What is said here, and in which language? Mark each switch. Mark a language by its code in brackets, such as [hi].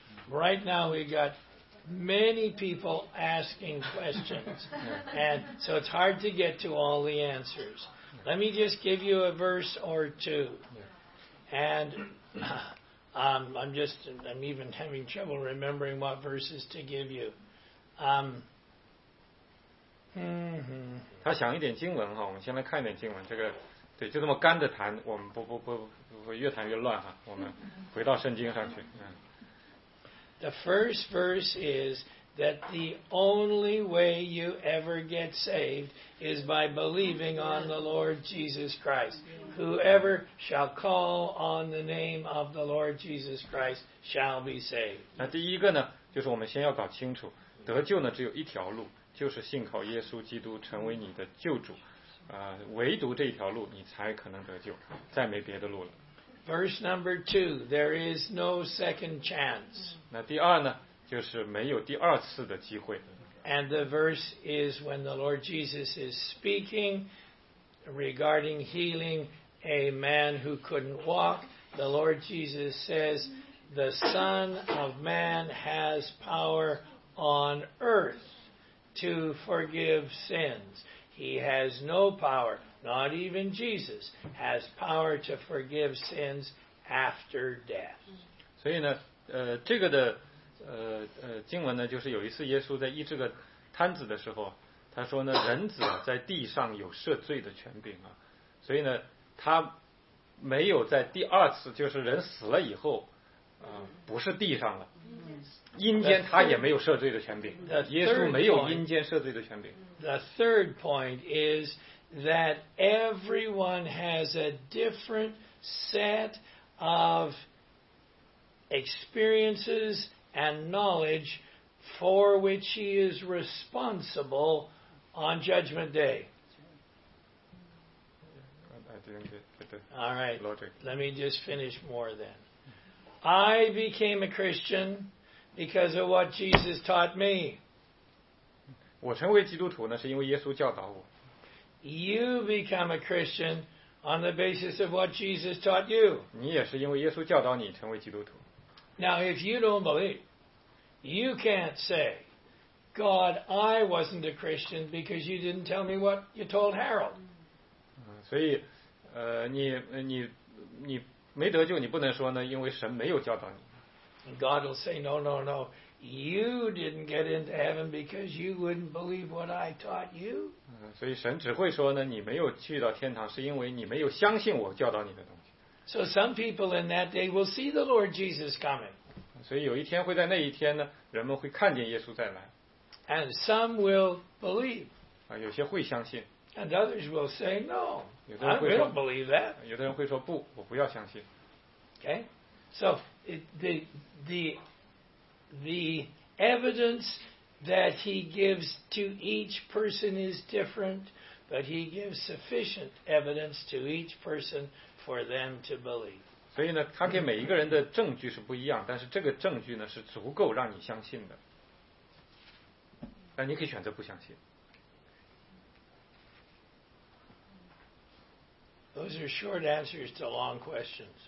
[en] Right now we've got many people asking questions. Yeah. And so it's hard to get to all the answers. Yeah. Let me just give you a verse or two. Yeah. And I'm even having trouble remembering what verses to give you. Mm-hmm. [zh] 他想一点经文哈，我们先来看一点经文。这个，对，就这么干着谈，我们不越谈越乱哈。我们回到圣经上去。嗯。 [en] The first verse is that the only way you ever get saved is by believing on the Lord Jesus Christ. Whoever shall call on the name of the Lord Jesus Christ shall be saved. [zh] 那第一个呢，就是我们先要搞清楚，得救呢只有一条路，就是信靠耶稣基督成为你的救主。唯独这一条路你才可能得救，再没别的路了。 [en] Verse number two, there is no second chance. [zh] 那第二呢，就是没有第二次的机会。 [en] And the verse is when the Lord Jesus is speaking regarding healing a man who couldn't walk. The Lord Jesus says, the Son of Man has power on earth to forgive sins. He has no power, not even Jesus, has power to forgive sins after death. [zh] 所以呢，这个的经文呢，就是有一次耶稣在医治个瘫子的时候，他说呢，人子在地上有赦罪的权柄啊，所以呢，他没有在第二次，就是人死了以后，不是地上了。阴间他也没有赦罪的权柄，耶稣没有阴间赦罪的权柄。 [en] The third point is that everyone has a different set of experiences and knowledge for which he is responsible on Judgment Day. I didn't get the All right. logic. Let me just finish more then. I became a Christian because of what Jesus taught me. [zh] 我成为基督徒呢，是因为耶稣教导我。 [en] You become a Christian on the basis of what Jesus taught you. [zh] 你也是因为耶稣教导你成为基督徒。 [en] Now, if you don't believe, you can't say, God, I wasn't a Christian because you didn't tell me what you told Harold. [zh] 所以，你没得救，你不能说呢，因为神没有教导你。 [en] God will say, no, no, no. You didn't get into heaven because you wouldn't believe what I taught you. [zh] 所以神只会说呢，你没有去到天堂，是因为你没有相信我教导你的东西。 [en] So some people in that day will see the Lord Jesus coming. [zh] 所以有一天会在那一天呢，人们会看见耶稣再来。 [en] And some will believe. [zh] 有些会相信。 [en] And others will say, no, I don't believe that. [zh] 有的人会说不，我不要相信。 [en] Okay, so the evidence that he gives to each person is different, but he gives sufficient evidence to each person for them to believe. [zh] 所以呢，他给每一个人的证据是不一样，但是这个证据呢是足够让你相信的。那你可以选择不相信。 [en] Those are short answers to long questions.